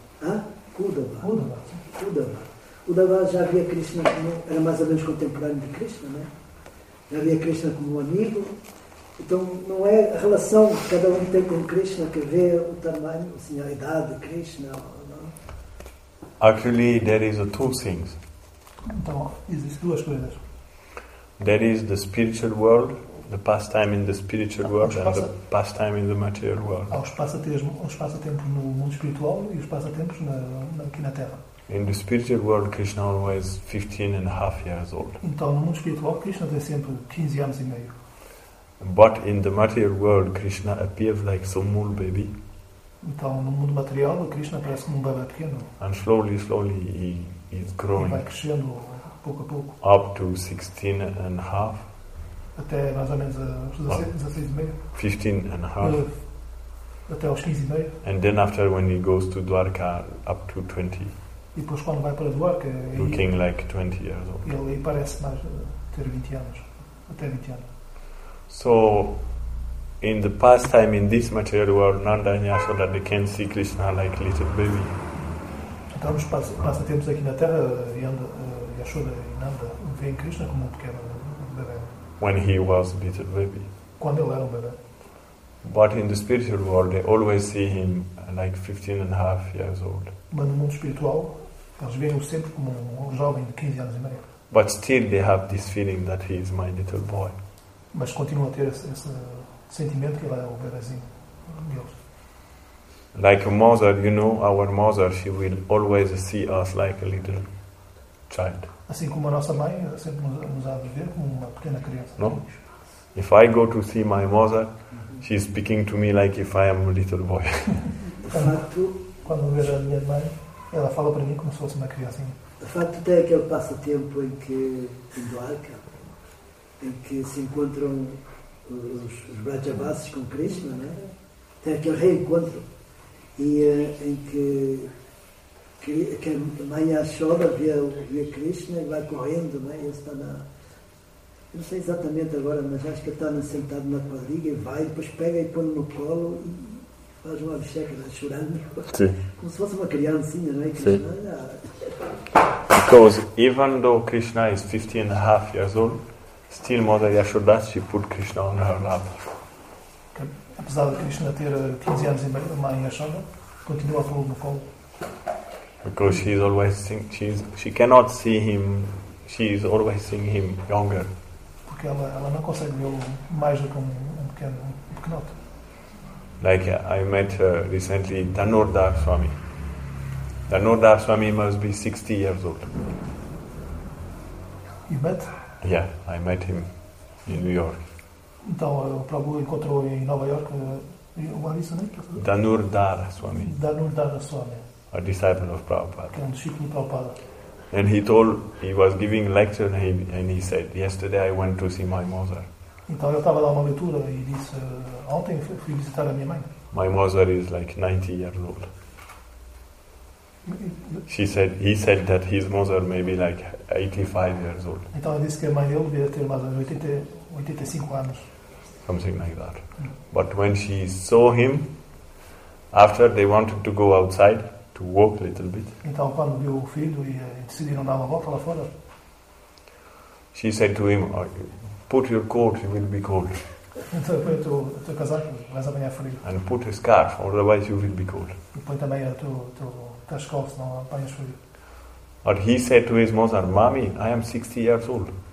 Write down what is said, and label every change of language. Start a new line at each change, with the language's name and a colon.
Portuguese: Hã? Uddhava. Uddhava já via Krishna como, era mais ou menos contemporâneo de Krishna, né? Já via Krishna como um amigo. Então, não é a relação que cada um tem com Krishna que vê o tamanho, assim, a idade de Krishna.
English: Actually, there is two things.
Portuguese: Então, existem duas coisas.
English: There is the spiritual world, the pastime in the spiritual world, and the pastime in the material world.
Portuguese: Há os passatempos no mundo espiritual e os passatempos aqui na Terra.
English: In the spiritual world, Krishna always 15 and a half years old.
Portuguese: Então, no mundo espiritual, Krishna tem sempre 15 anos e meio.
English: But in the material world, Krishna appears like some small baby.
Portuguese: Então, no mundo material, Krishna parece como um bebê pequeno.
English: And slowly he is growing.
Portuguese: E vai crescendo pouco a pouco.
English: Up to 16 and a half.
Portuguese: Até mais ou menos aos 16 e meio.
English: 15 and a half.
Portuguese: Até aos 15 e meio.
English: And then after, when he goes to Dwarka, up to 20.
Portuguese: E depois quando vai para Dwarka,
English: looking like 20 years old.
Portuguese: Ele parece mais ter 20 anos. Até 20 anos.
English: So, in the past time, in this material world, Nanda and Yashoda, they can see Krishna like a little baby.
Portuguese: Então, nos passatempos aqui na Terra, Yashoda e Nanda veem Krishna como um pequeno bebê.
English: When he was a little baby.
Portuguese: Quando ele era um bebê.
English: But in the spiritual world, they always see him like 15 and a half years old.
Portuguese: Mas no mundo espiritual, eles veem-o sempre como um jovem de 15 anos e meio.
English: But still, they have this feeling that he is my little boy.
Portuguese: Mas continua a ter esse sentimento que ele é o bebezinho de Deus.
English: Like a mother, you know, our mother, she will always see us like a little child.
Portuguese: Assim como a nossa mãe sempre nos há de ver como uma pequena criança.
English: No? If I go to see my mother, she's speaking to me like if I am a little boy.
Portuguese: Quando ver a minha mãe, ela fala para mim como se fosse uma criancinha. De facto, tem aquele passatempo em que em Dwarka, em que se encontram os Vrajavasis com Krishna, né? Tem aquele reencontro em que a mãe Yashoda via Krishna e vai correndo, né? Ele está na, não sei exatamente agora, mas acho que ele está sentado na quadriga e vai, depois pega e põe no colo e faz uma abcheca, né? Chorando. Sim. Como se fosse uma criancinha, não é, Krishna? Sim.
English: Because even though Krishna is 15 and a half years old, still, Mother Yashoda, she put Krishna on her lap.
Portuguese: Apesar de Krishna ter 15 anos e meio, mãe Yashoda continua a pôr no colo.
English: Because she is always she cannot see him. She is always seeing him younger.
Portuguese: Porque ela não consegue vê-lo mais do que um pequeno.
English: Like I met recently Dhanurdhar Swami. Dhanurdhar Swami must be 60 years old. You met? Yeah, I met him in New York.
Portuguese: Então, o Prabhu encontrou em Nova York uma missa, né? Dhanurdhar Swami. Dhanurdhar Swami.
English: A disciple of Prabhupada.
Portuguese: Que é um discípulo de Prabhupada.
English: And he told, he was giving lecture and he said, yesterday I went to see my mother.
Portuguese: Então, ele estava a dar uma leitura e disse, ontem fui visitar a minha mãe.
English: My mother is like 90 years old. He said that his mother may be like 85 years old.
Portuguese: Então ele disse que a mãe dele devia ter mais ou menos 85 anos.
English: Something like that. But when she saw him, after they wanted to go outside to walk a little bit.
Portuguese: Então quando viu o filho e decidiram dar uma volta lá fora.
English: She said to him, put your coat, you will be cold.
Portuguese: Então põe o teu casaco, vais apanhar frio.
English: And put a scarf, otherwise you will be cold.
Portuguese: E põe também o teu cascos, não apanhas frio.
English: But he said to his mother, Mommy, I am 60 years old.